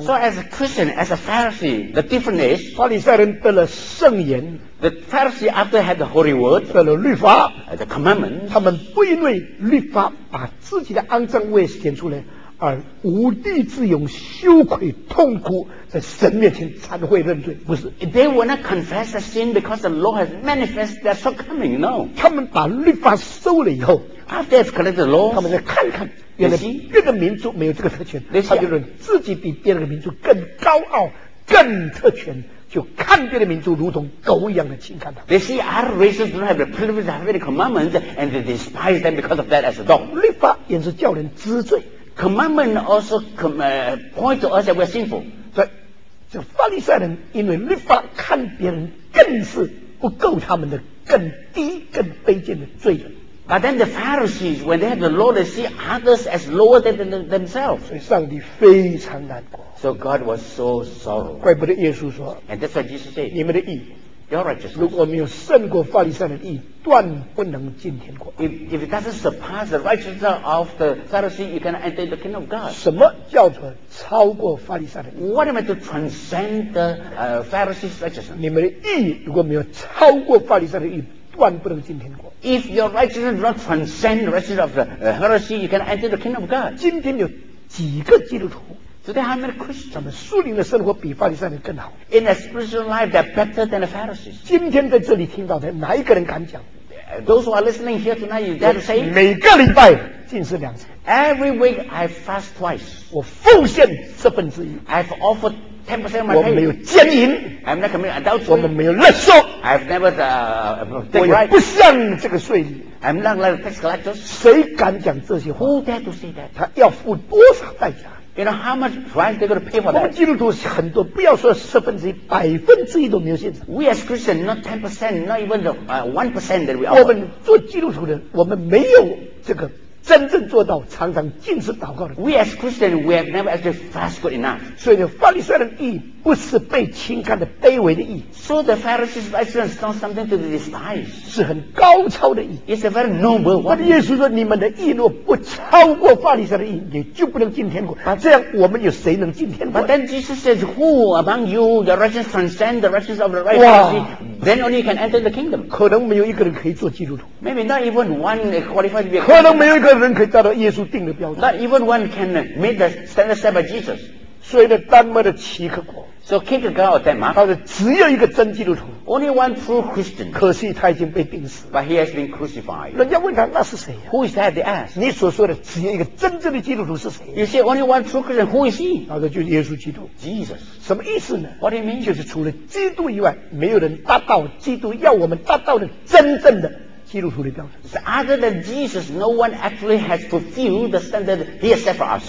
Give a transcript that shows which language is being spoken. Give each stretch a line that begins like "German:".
English: So as a Christian, as a Pharisee, the difference is,
Chinese: 法利赛人得了圣言，
English: The Pharisee after had the holy word,
Chinese: 得了律法，
English: The commandment,
Chinese: 他们不因为律法把自己的肮脏位显出来而无地自容，羞愧痛苦，在神面前忏悔认罪，不是。
English: They will not confess the sin because the law has manifested their shortcoming. No.
Chinese: 他们把律法收了以后，
English: After they've collected the law,
Chinese: 他们再看看原来别的民族没有这个特权，
English: see,
Chinese: 他就认自己比别的民族更高傲、更特权。就看别的民族如同狗一样的轻看他。
English: They see other races don't have the privilege of having the commandments, and they despise them because of that as a dog.
Chinese: 律法也是叫人知罪。
English: Commandment also point to us that we're sinful.
Chinese: 所以，这法利赛人因为律法看别人更是不够他们的更低、更卑贱的罪人。
English: But then the Pharisees, when they have the law, they see others as lower than themselves.
Chinese: 所以上帝非常难过。
English: So God was so sorrowful.
Chinese: 怪不得耶稣说。
English: And that's what Jesus said.
Chinese: 你们的义。
English: Your righteousness.
Chinese: 如果没有胜过法利赛人的义，断不能进天国。
English: If it doesn't surpass the righteousness of the Pharisee, you cannot enter the kingdom of God.
Chinese: 什么叫做超过法利赛人的义？
English: What am I to transcend the Pharisee's righteousness?
Chinese: 你们的义如果没有超过法利赛人的义，断不能进天国。
English: If your righteousness does not transcend the righteousness of the Pharisee, you cannot enter the kingdom of God.
Chinese: 今天有几个基督徒？
English: Today, how many Christians?
Chinese: 他们属灵的生活比法利赛人更好。
English: In a spiritual life, they're better than the Pharisees.
Chinese: 今天在这里听到的，哪一个人敢讲？
English: Those who are listening here tonight, is that safe?
Chinese: 每个礼拜禁食两次。
English: Every week I fast twice.
Chinese: 我奉献十分之一。
English: I've offered 10% of my pay.
Chinese: 我没有奸淫。
English: I'm not committing adultery.
Chinese: 我们没有勒索。
English: I've never taken bribe.
Chinese: 我也不像这个税吏。
English: I'm not like tax collectors.
Chinese: 谁敢讲这些话？
English: Who dare to say that?
Chinese: 他要付多少代价？
English: You know how much price they're going to pay for that?
Chinese: 我们基督徒很多，不要说十分之一，百分之一都没有现成。
English: We as Christians, not 10%, not even the 1% that we are.
Chinese: 我们做基督徒的，我们没有这个真正做到常常禁食祷告的。
English: We as Christians, we have never actually fasted enough.
Chinese: 所以法利赛人的义不是被轻看的卑微的义。
English: So the Pharisees' righteousness is not something to despise.
Chinese: 是很高超的义。
English: It's a very noble one.
Chinese: 但耶稣说，你们的义若不超过法利赛人的义，你就不能进天国。 But, 这样我们有谁能进天国？
English: But then Jesus says, who among you, the righteous transcend the righteousness of the right Pharisee, then only you can enter the kingdom.
Chinese: 可能没有一个人可以做基督徒。
English: Maybe not even one qualified to be a
Chinese: Christian. 可能没有一个人可以达到耶稣定的标准。
English: Not even one can meet the standard set by Jesus.
Chinese: 所以呢，丹麦的奇克国。
English: So Kierkegaard of Denmark.
Chinese: 他说只有一个真基督徒。
English: Only one true Christian.
Chinese: 可惜他已经被钉死。
English: But he has been crucified.
Chinese: 人家问他那是谁呀、啊、
English: ？Who is that? They ask.
Chinese: 你所说的只有一个真正的基督徒是谁、啊、
English: ？You say only one true Christian. Who is he?
Chinese: 他说就是耶稣基督。
English: Jesus.
Chinese: 什么意思呢
English: ？What do you mean?
Chinese: 就是除了基督以外，没有人达到基督要我们达到的真正的。基督徒的标准。
English: Other than Jesus, no one actually has fulfilled the standard he has set for us.